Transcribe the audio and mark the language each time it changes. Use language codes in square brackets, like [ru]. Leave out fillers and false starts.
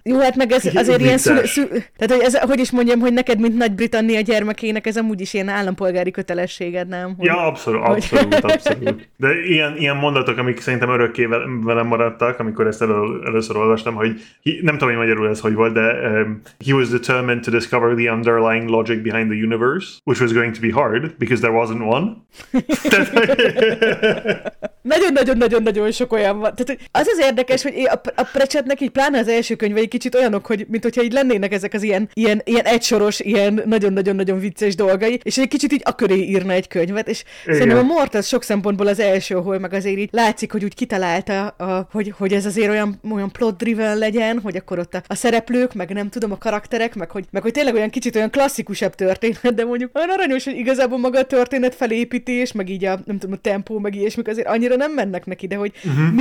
[hu] Jó, hát meg ez azért ilyen tehát, hogy ez, hogy is mondjam, hogy neked, mint Nagy-Britannia gyermekének, ez amúgy is ilyen állampolgári kötelességed, nem? Hogy... Ja, abszolút. De ilyen mondatok, amik szerintem örökké velem maradtak, amikor ezt először olvastam, hogy nem tudom, hogy magyarul ez hogy volt, de [en] he was determined to discover the underlying logic behind the universe. Which was going to be hard, because there wasn't one. [hu] Nagyon-nagyon-nagyon-nagyon sok olyan van. Tehát, az az érdekes, hogy a Pratchettnek így pláne az első könyve egy kicsit olyanok, hogy mint hogyha így lennének ezek az ilyen egysoros, ilyen nagyon-nagyon-nagyon vicces dolgai, és egy kicsit így a köré írna egy könyvet, és igen. Szerintem a Mort az sok szempontból az első, ahol meg azért így látszik, hogy úgy kitalálta, hogy ez azért olyan plot-driven legyen, hogy akkor ott a szereplők, meg nem tudom, a karakterek, meg hogy tényleg olyan kicsit olyan klasszikusabb történet, de mondjuk olyan aranyos, hogy igazából maga a történet felépítés, meg így a, nem tudom, a tempó, meg ilyesmik azért annyira nem mennek neki, de hogy uh-huh.